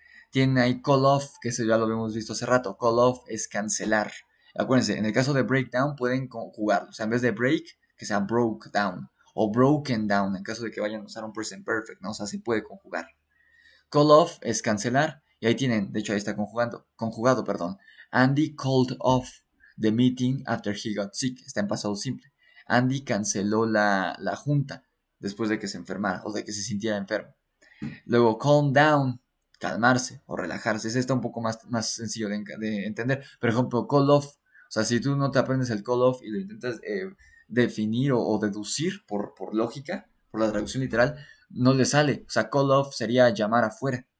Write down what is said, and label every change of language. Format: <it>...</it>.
<es>Tienen ahí call off, que eso ya lo hemos visto hace rato. Call off es cancelar. Acuérdense, en el caso de breakdown pueden conjugarlo. O sea, en vez de break, que sea broke down. O broken down, en caso de que vayan a usar un present perfect, ¿no? O sea, se puede conjugar. Call off es cancelar. Y ahí tienen, de hecho, ahí está conjugado, perdón.</es> <en>Andy called off the meeting after he got sick.</en> <es>Está en pasado simple. Andy canceló la junta después de que se enfermara o de que se sintiera enfermo. Luego, calm down. Calmarse o relajarse. Ese está un poco más sencillo de entender. Por ejemplo, call off. O sea, si tú no te aprendes el call off y lo intentas definir o deducir por lógica, por la traducción literal, no le sale. O sea, call off sería llamar afuera.</es>